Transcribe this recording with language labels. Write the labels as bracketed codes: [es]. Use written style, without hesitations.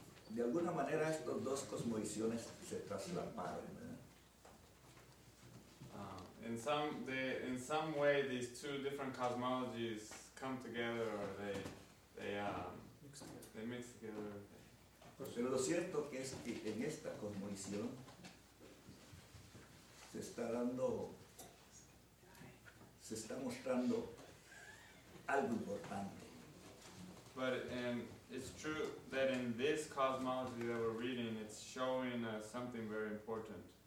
[es] De alguna manera estos dos cosmovisiones se traslaparon. [en] In some way these two different cosmologies come together, or they mix together. [es] Pero lo cierto que es que en esta cosmovisión se está mostrando algo importante. [en] But it's true that in this cosmology that we're reading, it's showing us something very important.